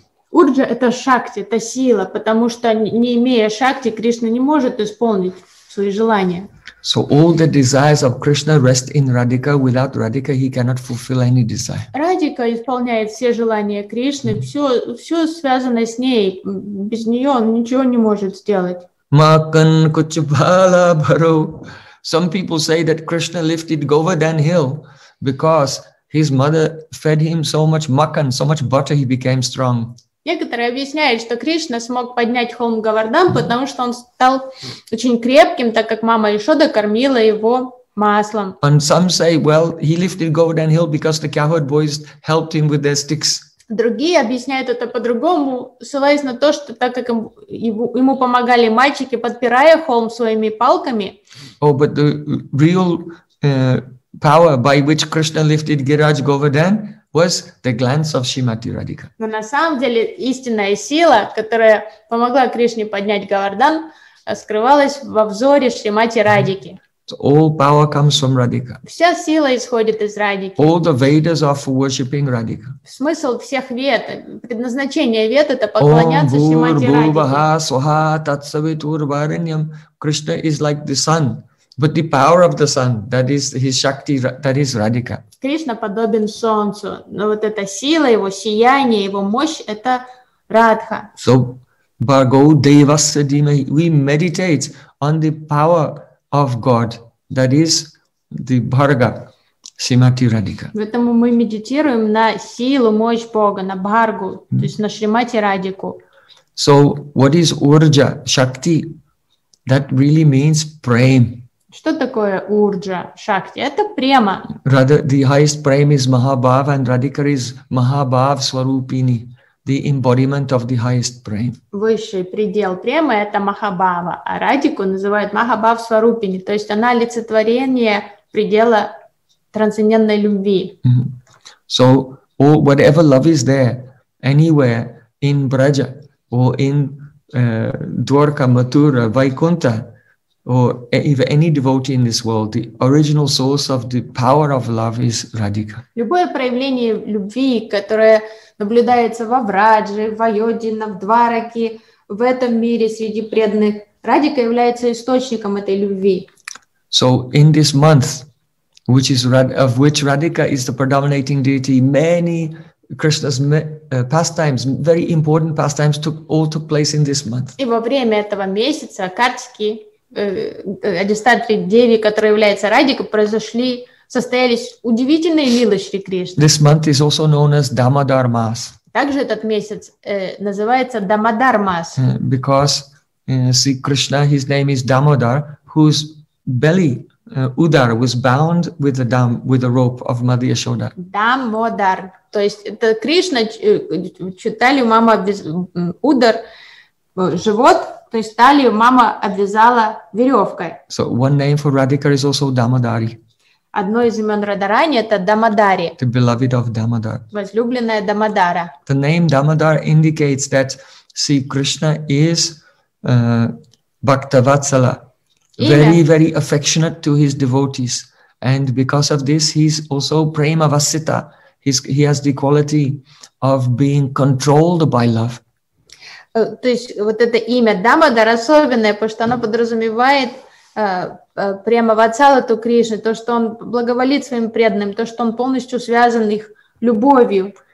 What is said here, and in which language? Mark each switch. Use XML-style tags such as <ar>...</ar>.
<ru>Урджа это Шакти, это сила, потому что не имея Шакти, Кришна не может исполнить свои желания.</ru> <en>So all the desires of Krishna rest in Radhika. Without Radhika, he cannot fulfill any desire.</en> <ru>Радика исполняет все желания Кришны. Все связано с ней. Без нее он ничего не может сделать.</ru> <hi>Makan kuch bhala bharo.</hi> <en>Some people say that Krishna lifted Govardhan Hill because his mother fed him so much makan, so much butter, he became strong.</en> <ru>Некоторые объясняют, что Кришна смог поднять холм Говардхан, потому что он стал очень крепким, так как мама Ишода кормила его маслом.</ru> <en>And some say, well, he lifted Govardhan Hill because the cowherd boys helped him with their sticks.</en> <ru>Другие объясняют это по-другому, ссылаясь на то, что так как ему помогали мальчики, подпирая холм своими палками.</ru> <en>Oh, but the real power by which Krishna lifted Giraj Govardhan was the glance of Shrimati Radhika.</en> <ru>Но на самом деле истинная сила, которая помогла Кришне поднять Говардхан, скрывалась во взоре Шримати Радики.</ru> <en>So all power comes from Radhika.</en> <ru>Вся сила исходит из Радики.</ru> <en>All the Vedas are for worshipping Radhika.</en> <ru>Смысл всех вед, предназначение вед это поклоняться Шримати Радике.</ru> <en>Krishna is like the sun. But the power of the sun, that is his shakti, that is Radhika.</en> <ru>Кришна подобен солнцу, но вот эта сила его, сияние, его мощь — это Радха.</ru> <en>So Bhargo Devasya Dhimahi, we meditate on the power of God, that is the Bharga, Shrimati Radhika.</en> <ru>Поэтому мы медитируем на силу, мощь Бога, на Бхаргу, то есть на Шримати Радику.</ru> <en>So what is Urja, Shakti? That really means Prem.</en> <ru>Что такое Urja, Shakti? Это према.</ru> <en>Rather, the highest Prem is Mahabhava, and Radhika is Mahabhava Swarupini, the embodiment of the highest Prem.</en> <ru>Высший предел Према — это Махабава, а Радику называют Махабав Сварупини, то есть она олицетворение предела трансцендентной любви. Mm-hmm.</ru> <en>So, or whatever love is there, anywhere in Braja, or in Dwarka, Mathura, Vaikuntha, or if any devotee in this world, the original source of the power of love is Radhika.</en> <ru>Любое проявление любви, которое наблюдается во Врадже, в Айодине, в Двараке, в этом мире среди преданных, Радика является источником этой любви.</ru> <en>So in this month, which is of which Radhika is the predominating deity, many Krishna's pastimes, very important pastimes, took place in this month.</en> <ru>И во время этого месяца Картики, Адистатри Деви, которая является Радикой, произошли, состоялись удивительные лилы Шри Кришны.</ru> <en>This month is also known as Damodar Mass.</en> <ru>Также этот месяц называется Damodar Mass.</ru> <en>Because see Krishna, his name is Damodar, whose belly Udar was bound with a dam, with a rope of Mother Yashoda.</en> <ru>Damodar, то есть это Кришна, читали мама Удар, живот. То есть талию мама обвязала веревкой.</ru> <en>So one name for Radhika is also Damodari.</en> <ru>Одно из имен Радарани — это Дамодари.</ru> <en>The beloved of Damodar.</en> <ru>Возлюбленная Дамодара.</ru> <en>The name Damodar indicates that, see, Krishna is Bhaktavatsala, very, very affectionate to his devotees. And because of this, he's also Premavasita. He has the quality of being controlled by love.</en> <ru>То есть вот это имя Дамодар особенное, потому что оно подразумевает премавацала ту Кришны, то, что он благоволит своим преданным, то, что он полностью связан их любовью.</ru>